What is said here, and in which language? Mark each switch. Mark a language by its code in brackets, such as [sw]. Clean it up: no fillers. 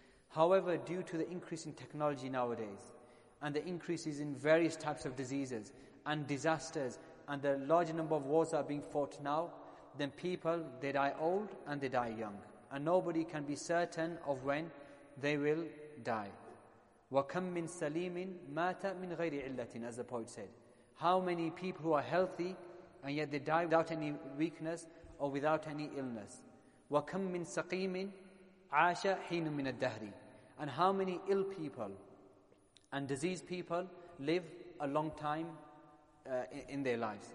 [en] However, due to the increase in technology nowadays, and the increases in various types of diseases and disasters, and the large number of wars that are being fought now, then people, they die old and they die young. And nobody can be certain of when they will die. [ar] وَكَمْ مِنْ سَلِيمٍ مَاتَ مِنْ غَيْرِ عِلَّةٍ, [en] as the poet said. How many people who are healthy and yet they die without any weakness or without any illness. [ar] وَكَمْ مِنْ سَقِيمٍ عَاشَ حِينٌ مِنَ الدَّهْرِ. [en] And how many ill people and diseased people live a long time in their lives.